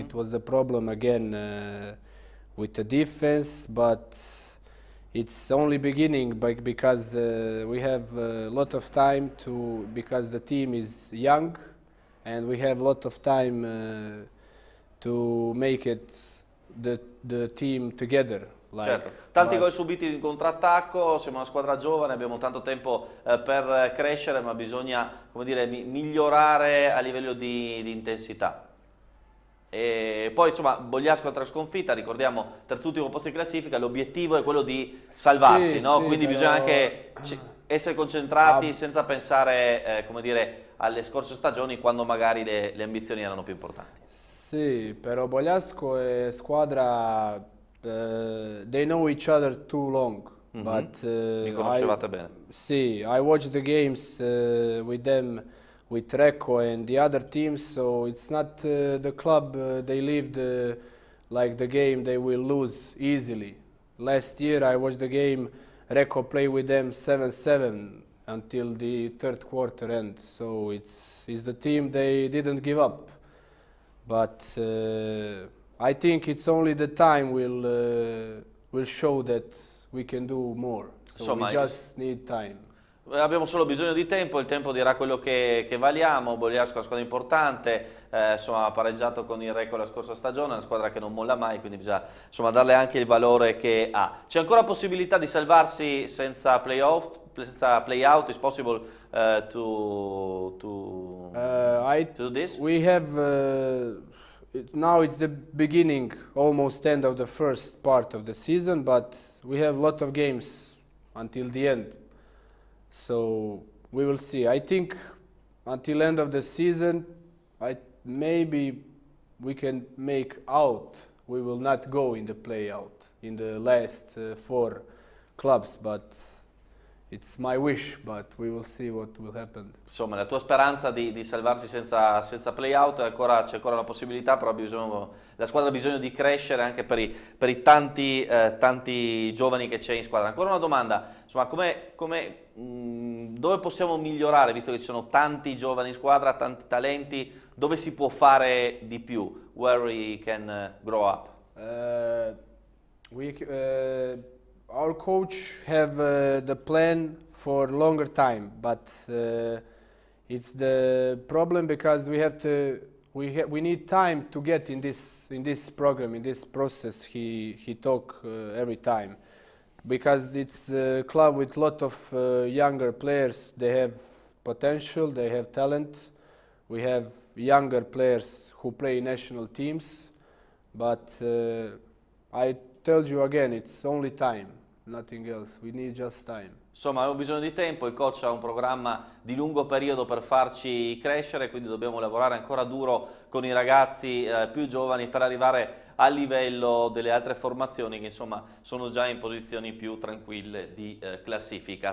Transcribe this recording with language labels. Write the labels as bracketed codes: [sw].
[en] it was the problem again with the defense, but it's only beginning because we have a lot of time to, because the team is young and we have a lot of time to make it the team together, [it] Certo, tanti gol subiti in contrattacco, siamo una squadra giovane, abbiamo tanto tempo per crescere, ma bisogna, come dire, migliorare a livello di intensità. E poi, insomma, Bogliasco altra sconfitta, ricordiamo, terz'ultimo posto di classifica, l'obiettivo è quello di salvarsi, sì, no? quindi però... bisogna anche essere concentrati senza pensare, come dire, alle scorse stagioni, quando magari le ambizioni erano più importanti. Sì, però Bogliasco è squadra... [en] they know each other too long, mm-hmm. but [it] conoscevate bene. [en] Sì, I watched the games with them, with Recco and the other teams, so it's not the club they lived like the game they will lose easily. Last year I watched the game, Recco play with them 7-7 until the third quarter end, so it's the team they didn't give up, but I think it's only the time will show that we can do more. So [it] insomma, [en] we just need time. [it] Abbiamo solo bisogno di tempo, il tempo dirà quello che valiamo. Bogliasco è una squadra importante, insomma, ha pareggiato con il Recco la scorsa stagione, una squadra che non molla mai, quindi bisogna, insomma, darle anche il valore che ha. C'è ancora possibilità di salvarsi senza playoff, senza playout? [en] It's possible to do this? We have now it's the beginning, almost end of the first part of the season, but we have a lot of games until the end. So we will see. I think until end of the season, maybe we can make out. We will not go in the playout in the last four clubs, but it's my wish, but we will see what will happen. [it] Insomma, la tua speranza di salvarsi senza playout, c'è ancora una possibilità, però la squadra ha bisogno di crescere anche per i tanti, tanti giovani che c'è in squadra. Ancora una domanda, insomma, dove possiamo migliorare, visto che ci sono tanti giovani in squadra, tanti talenti, dove si può fare di più? [en] Where we can grow up? Our coach have the plan for longer time, but it's the problem because we need time to get in this program, in this process he talk every time, because it's a club with lot of younger players. They have potential, they have talent. We have younger players who play national teams, but I told you again, it's only time. Nothing else, we need just time. [it] Insomma, abbiamo bisogno di tempo, il coach ha un programma di lungo periodo per farci crescere, quindi dobbiamo lavorare ancora duro con i ragazzi più giovani per arrivare al livello delle altre formazioni che, insomma, sono già in posizioni più tranquille di classifica.